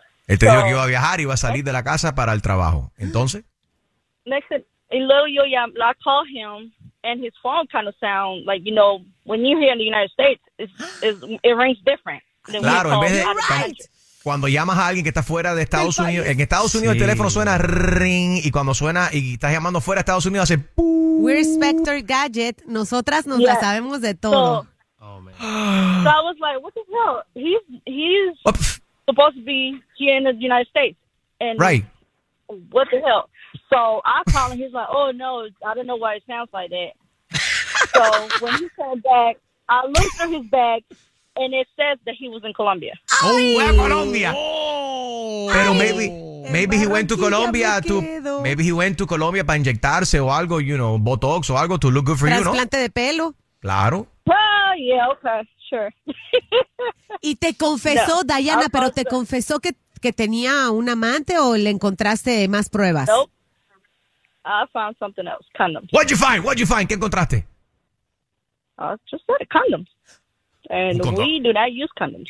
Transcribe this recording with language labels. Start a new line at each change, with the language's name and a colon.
Spanish: Él te dijo que iba a viajar y iba a salir de la casa para el trabajo. Entonces...
English: Next, a little yo, yeah, I call him, and his phone kind of sound like, you know, when you're here in the United States, it rings different.
Spanish: Claro, en vez de, cuando llamas a alguien que está fuera de Estados Unidos, en Estados Unidos sí. El teléfono suena ring, y cuando suena, y estás llamando fuera de Estados Unidos, hace ¡pum! We're Spectre Gadget, nosotras nos la sabemos de todo.
English: So, so I was like, what the hell? He's supposed to be here in the United States. And right. What the hell? So I call him. He's like, oh, no, I don't know why it sounds like that. So when he came back, I looked through his bag, and it says that he was in Colombia. Oh, in Colombia. Oh. Pero maybe he went to Colombia to... Maybe he went to Colombia
Spanish: para inyectarse o algo,
English: you know, Botox
Spanish: o algo
English: to look good for
Spanish: trasplante
English: you, ¿no?
Spanish: Trasplante de pelo. Claro.
English: Well, yeah, okay, sure.
Spanish: Y te confesó, no, Diana, pero te confesó que tenía un amante o le encontraste más pruebas?
English: Nope. I found something else, condoms. What'd you find?
Spanish: ¿Qué encontraste?
English: Just said condoms. And we do not use condoms.